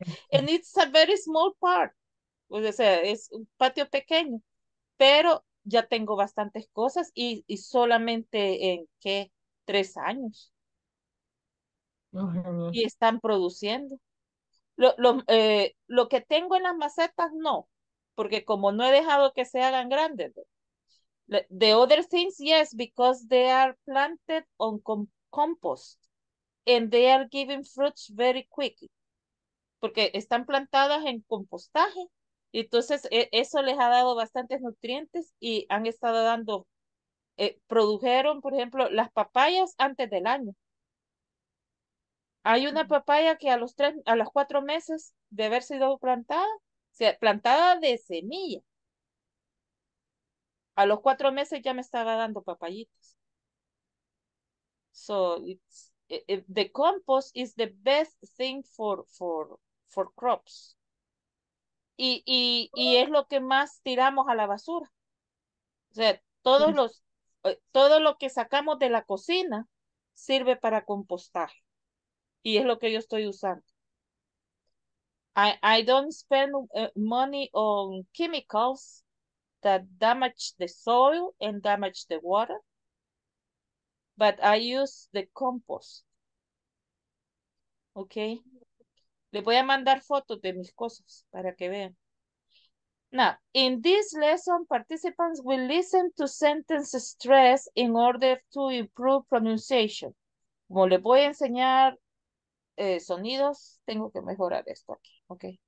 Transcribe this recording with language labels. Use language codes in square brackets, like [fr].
[en] And it's a very small part. [es] O sea, es un patio pequeño, pero ya tengo bastantes cosas y solamente en, ¿qué? 3 años. Oh, y están produciendo. Lo que tengo en las macetas, no, porque como no he dejado que se hagan grandes. [en] The other things, yes, because they are planted on compost and they are giving fruits very quickly. [es] Porque están plantadas en compostaje. Entonces, eso les ha dado bastantes nutrientes y han estado dando, produjeron, por ejemplo, las papayas antes del año. Hay una papaya que a los 4 meses de haber sido plantada, o sea, plantada de semilla, a los 4 meses ya me estaba dando papayitas. [en] So, the compost is the best thing for crops. [es] Y es lo que más tiramos a la basura. O sea, todo lo que sacamos de la cocina sirve para compostaje. Y es lo que yo estoy usando. [en] I don't spend money on chemicals that damage the soil and damage the water, but I use the compost. Okay. [es] Le voy a mandar fotos de mis cosas para que vean. [en] Now, in this lesson, participants will listen to sentence stress in order to improve pronunciation. [es] Como les voy a enseñar sonidos, tengo que mejorar esto aquí, ¿ok?